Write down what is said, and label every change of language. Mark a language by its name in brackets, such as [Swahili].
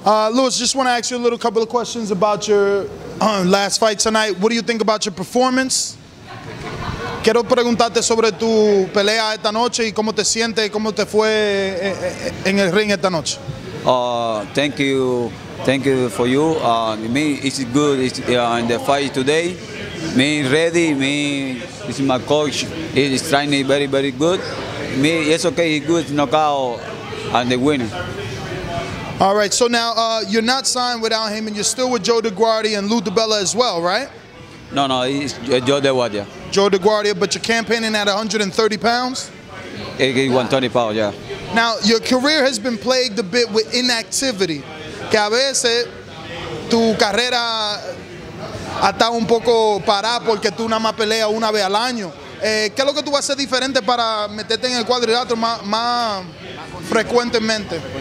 [English] Luis, just want to ask you a little couple of questions about your last fight tonight. What do you think about your performance? [Spanish] Quiero preguntarte sobre tu pelea esta noche y cómo te sientes y cómo te fue en el ring esta noche. [English] Thank you for you. Me, it's good. It's in the fight today. Me ready. Me, this is my coach. He is training very, very good. Me, it's okay. He's good. Knockout and the winner. All right. So now you're not signed without him, and you're still with Joe DiGuardia and Lou DiBella as well, right? No. It's Joe DiGuardia. Joe DiGuardia, but you're campaigning at 130 pounds. 120 pounds, yeah. Now your career has been plagued a bit with inactivity. [Spanish] Que a veces tu carrera está un poco parada porque tú nada más peleas una vez al año. ¿Qué es lo que tú vas a hacer diferente para meterte en el cuadrilátero más frecuentemente?